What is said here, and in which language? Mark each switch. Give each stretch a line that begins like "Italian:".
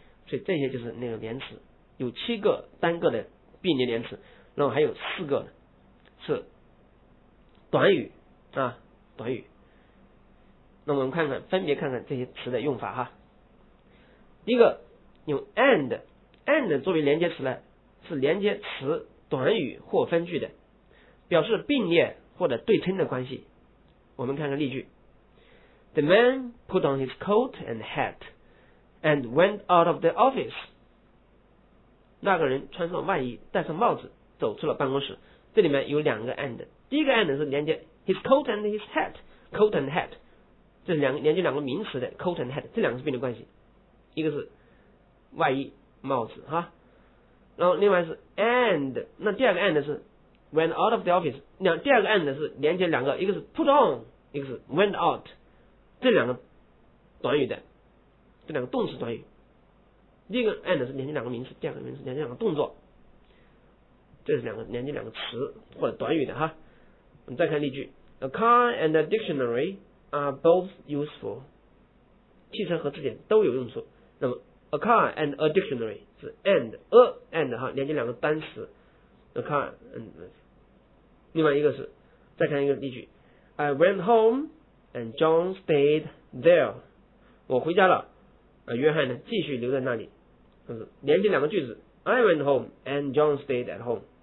Chinese: 所以这些就是那个连词，有七个单个的并列连词，然后还有四个呢是短语啊，短语那我们看看，分别看看这些词的用法哈。第一个，用 and 作为连接词呢，是连接词、短语或分句的，表示并列或者对称的关系。我们看看例句
English: ：The man put on his coat and hat and went out of the office。
Chinese: 那个人穿上外衣，戴上帽子，走出了办公室。这里面有两个 and， 第一个 and 是连接
English: his coat and his hat， coat and hat，
Chinese: 这是两个连接两个名词的 coat and hat， 这两个是并列关系，一个是外衣帽子哈，然后另外是 and， 那第二个 and 是
English: went out of the office，
Chinese: 第二个 and 是连接两个，一个是
English: put on，
Chinese: 一个是
English: went out，
Chinese: 这两个短语的，这两个动词短语，第一个 and 是连接两个名词，第二个名词连接两个动作。这是两个连接两个词或者短语的哈。我们再看例句
English: ：A car and a dictionary are both useful。
Chinese: 汽车和字典都有用处。那么 ，
English: a car and a dictionary
Chinese: 是
English: and a and
Chinese: 哈，连接两个单词。
English: a car and
Chinese: 另外一个是，再看一个例句
English: ：I went home and John stayed there。
Chinese: 我回家了，约翰呢继续留在那里。就是连接两个句子。
English: I went home and John stayed at home.